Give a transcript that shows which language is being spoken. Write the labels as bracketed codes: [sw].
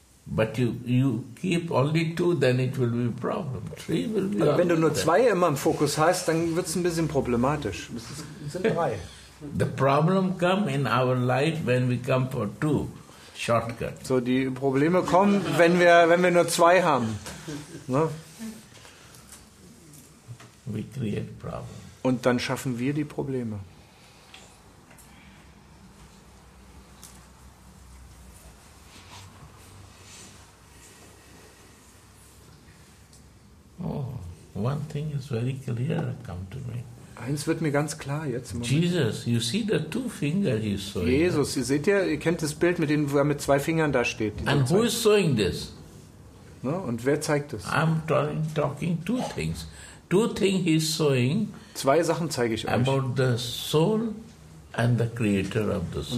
[en] But you keep only two, then it will be a problem. Three will be. [de] Aber wenn du nur zwei immer im Fokus hast, dann wird es ein bisschen problematisch. Es sind drei. [en] The problem come in our life when we come for two. Shortcut. [de] So, die Probleme kommen, wenn wir nur zwei haben. Ne? [en] We create problems. [de] Und dann schaffen wir die Probleme. [en] Oh, one thing is very clear, come to me. [de] Eins wird mir ganz klar jetzt im Moment. [en] Jesus, you see the two fingers he's showing. [de] Jesus, ihr seht ja, ihr kennt das Bild, mit dem er mit zwei Fingern da steht. [en] And who is showing this? [de] Ne? Und wer zeigt das? [en] I'm talking two things. Two things he's showing. [de] Zwei Sachen zeige ich euch. [en] About the soul and the creator of the soul.